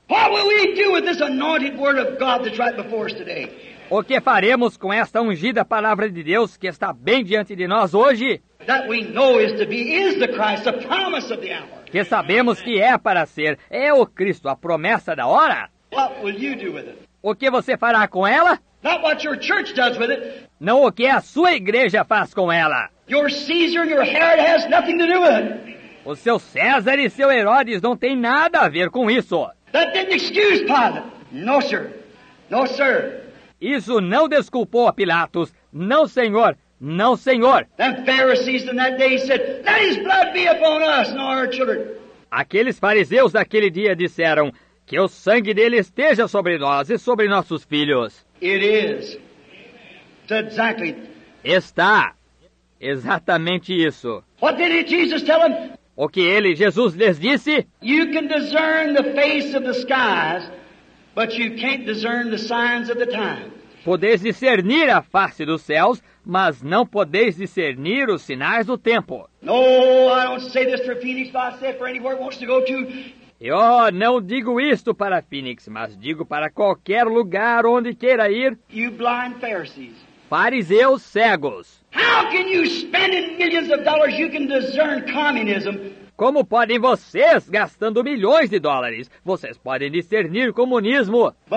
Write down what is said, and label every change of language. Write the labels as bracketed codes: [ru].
[en] What will we do with this anointed word of God that's right before us today? [pt] O que faremos com esta ungida palavra de Deus que está bem diante de nós hoje? [en] That we know is to be is the Christ, the promise of the hour. [pt] Que sabemos que é para ser, é o Cristo, a promessa da hora. [en] What will you do with it? [pt] O que você fará com ela? [en] Not what your church does with it. [pt] Não o que a sua igreja faz com ela. [en] Your Caesar and your Herod has nothing to do with it. [pt] O seu César e seu Herodes não têm nada a ver com isso. [en] That didn't excuse Pilate. No, sir. No, sir. [pt] Isso não desculpou a Pilatos. Não, senhor. Não, senhor. [en] The Pharisees in that day said, let his blood be upon us and our children. [pt] Aqueles fariseus daquele dia disseram, que o sangue dele esteja sobre nós e sobre nossos filhos. [en] It is. It's exactly. [pt] Está. Exatamente isso. [en] What did Jesus tell them? [pt] O que ele, Jesus, lhes disse? [en] You can discern the face of the skies, but you can't discern the signs of the time. [pt] Podeis discernir a face dos céus, mas não podeis discernir os sinais do tempo. [en] No, I don't say this for Phoenix, but I say it for anywhere it wants to go to. [pt] Eu não digo isto para Phoenix, mas digo para qualquer lugar onde queira ir. [en] You blind Pharisees. [pt] Fariseus cegos. [en] How can you spend millions of dollars you can discern communism? [pt] Como podem vocês, gastando milhões de dólares, vocês podem discernir comunismo?